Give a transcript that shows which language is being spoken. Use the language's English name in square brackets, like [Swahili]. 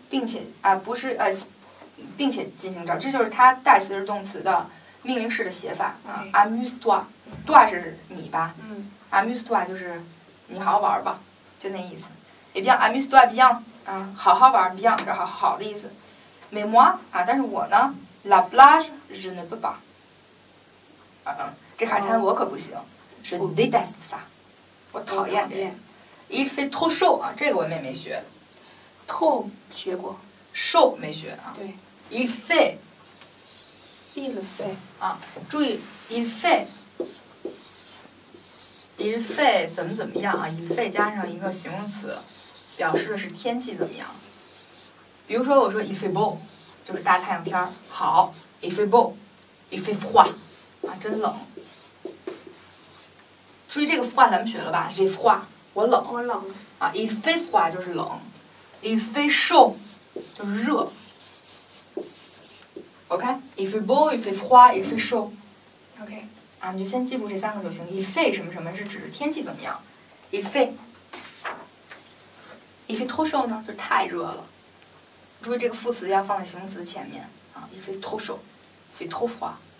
[Chinese] 并且啊，不是并且进行着，这就是它代词是动词的命令式的写法。 [English] Okay. [Chinese] 啊 ， [French] amuse-toi， [Chinese] toi 是你吧？嗯。 amuse-toi 就是你好好玩吧，就那意思。 [French] Eh bien, amuse-toi bien。 [Chinese] 啊，好好玩 ，bien 是好好的意思。 [French] Mais moi 啊， [Chinese] 但是我呢 [French] ，la plage je ne peux pas。 [Chinese] 这海滩我可不行。 [French] Je déteste ça。 [Chinese] 我讨厌这。 [French] Il fait trop chaud [Chinese] 啊，这个我也没学。 Trop 学过。 Chaud 没学啊。对。 [French] Il fait。 Il fait。 [Chinese] 啊，注意 ，il fait。 Il fait 怎么怎么样啊 ？Il fait 加上一个形容词。表示的是天气怎么样？比如说，我说 [French] il fait beau， [Chinese] 就是大太阳天儿，好。 [French] il fait beau， il fait froid， 啊， [Chinese] 真冷。注意这个 froid， 咱们学了吧 ？ [French] j'ai froid， [Chinese] 我冷。我冷。啊 ， [French] il fait froid [Chinese] 就是冷 ， [French] il fait chaud [Chinese] 就是热。 [French] OK， il fait beau， il fait froid， il fait chaud。 [English] OK， [Chinese] 啊，你就先记住这三个就行。 il fait 什么什么是指天气怎么样 ？il fait。 [French] Il fait trop chaud [Chinese] 呢，就是太热了。注意这个副词要放在形容词前面啊。 [French] Il fait trop chaud, il fait trop froid.